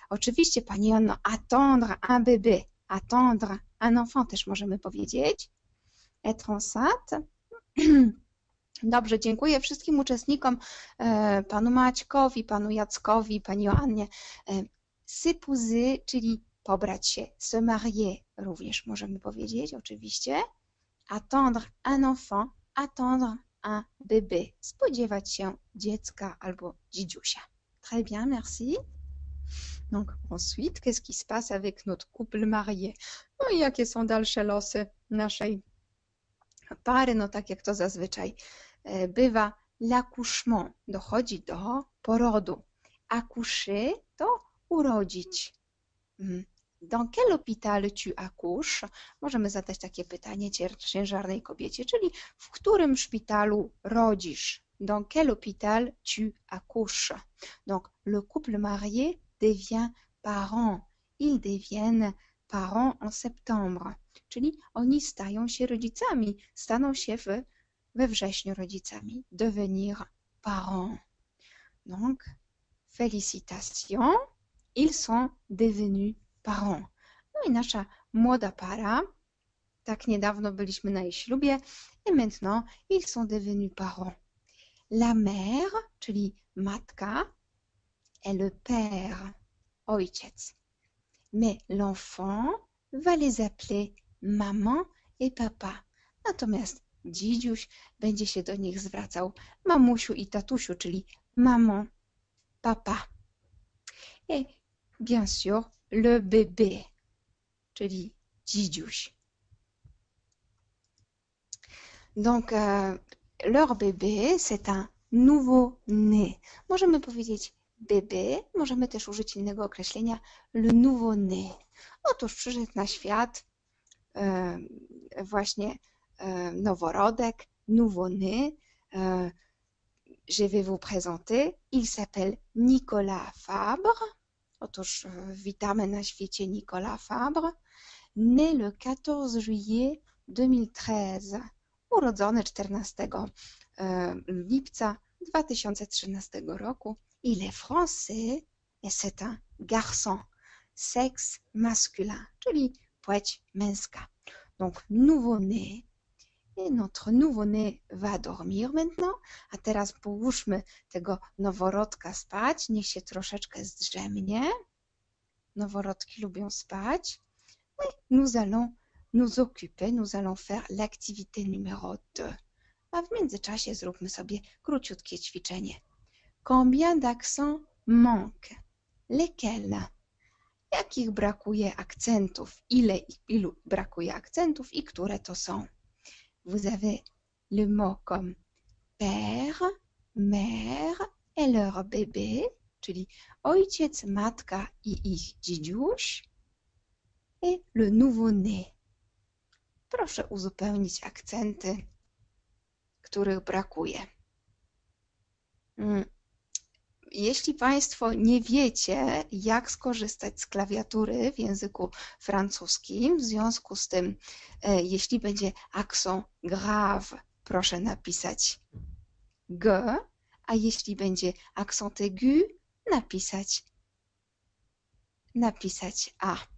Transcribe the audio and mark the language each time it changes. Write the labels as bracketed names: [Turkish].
[Polish] Oczywiście, pani Joanno, [French] attendre un bébé. Attendre un enfant [Polish] też możemy powiedzieć. [French] Être enceinte. [Polish] Dobrze, dziękuję wszystkim uczestnikom, panu Maćkowi, panu Jackowi, pani Joannie. [French] S'épouser, [Polish] czyli pobrać się, [French] se marier [Polish] również możemy powiedzieć, oczywiście. [French] Attendre un enfant, attendre un bébé. [Polish] Spodziewać się dziecka albo dzidziusia. [French] Très bien, merci. Donc, ensuite, qu'est-ce qui se passe avec notre couple marié? [Polish] No i jakie są dalsze losy naszej pary? No tak jak to zazwyczaj bywa. L'accouchement, dochodzi do porodu. Accoucher to urodzić. [French] Dans quel hôpital tu accouches? [Polish] Możemy zadać takie pytanie ciężarnej kobiecie, czyli w którym szpitalu rodzisz? [French] Dans quel hôpital tu accouches? Donc, le couple marié devient parent. Ils deviennent parent en septembre. [Polish] Czyli oni stają się rodzicami, staną się we wrześniu rodzicami. [French] Devenir parent. Donc, félicitations. Ils sont devenus parents. [Polish] No i nasza młoda para, tak niedawno byliśmy na jej ślubie, [French] et maintenant, ils sont devenus parents. La mère, [Polish] czyli matka, [French] est le père, ojciec. Mais l'enfant va les appeler maman et papa. [Polish] Natomiast dzidziuś będzie się do nich zwracał mamusiu i tatusiu, czyli [French] maman, papa. Et bien sûr, le bébé, [Polish] czyli dzidziuś. [French] Donc, leur bébé, c'est un nouveau-né. [Polish] Możemy powiedzieć bébé, możemy też użyć innego określenia, le nouveau-né. Otóż przyszedł na świat właśnie noworodek, nouveau-né. [French] Je vais vous présenter, il s'appelle Nicolas Fabre. [Polish] Otóż witamy na świecie Nicolas Fabre. [French] Né le 14 juillet 2013. [Polish] Urodzony 14 lipca 2013 roku. [French] Il est français et c'est un garçon. Sexe masculin, [Polish] czyli płeć męska. [French] Donc nouveau-né. Et notre nouveau-né va dormir maintenant. [Polish] A teraz połóżmy tego noworodka spać. Niech się troszeczkę zdrzemnie. Noworodki lubią spać. [French] Oui, nous allons nous occuper. Nous allons faire l'activité numéro 2. [Polish] A w międzyczasie zróbmy sobie króciutkie ćwiczenie. [French] Combien d'accents manque? Lesquels? [Polish] Jakich brakuje akcentów? Ile ilu brakuje akcentów i które to są? [French] Vous avez le mot comme père, mère et leur bébé, [Polish] czyli ojciec, matka i ich dzidziuś, [French] et le nouveau-né. [Polish] Proszę uzupełnić akcenty, których brakuje. Jeśli Państwo nie wiecie, jak skorzystać z klawiatury w języku francuskim, w związku z tym, jeśli będzie accent grave, proszę napisać G, a jeśli będzie accent aigu, napisać A.